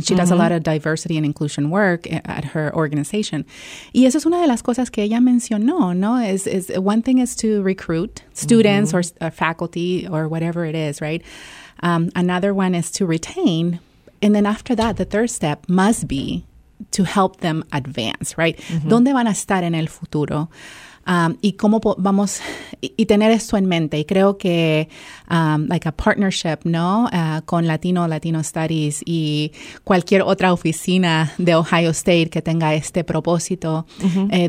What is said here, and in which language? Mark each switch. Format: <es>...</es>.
<en>She mm-hmm. does a lot of diversity and inclusion work at her organization.</en> <es>Y eso es una de las cosas que ella mencionó, ¿no?</es> <en>Is one thing is to recruit students mm-hmm. or faculty or whatever it is, right? Another one is to retain. And then after that, the third step must be to help them advance, right? Uh-huh.</en> <es>¿Dónde van a estar en el futuro? Y cómo vamos y tener esto en mente. Y creo que</es> <en>like a partnership,</en> <es>¿no?, con Latino Studies y cualquier otra oficina de Ohio State que tenga este propósito uh-huh.</es>